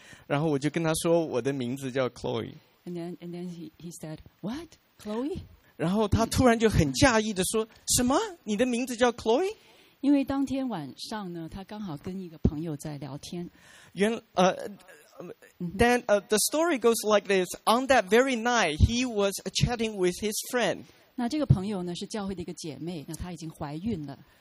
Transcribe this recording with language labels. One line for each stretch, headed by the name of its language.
Chinese: 然后我就跟他说我的名字叫 Chloe.
English: And then he said, "What? Chloe?"
Chinese: 然后他突然就很讶异的说，什么？你的名字叫 Chloe？因为当天晚上呢，他刚好跟一个朋友在聊天。
English: The story goes like this. On that very night, he was chatting with his friend.
Chinese: 那这个朋友呢，是教会的一个姐妹，那她已经怀孕了。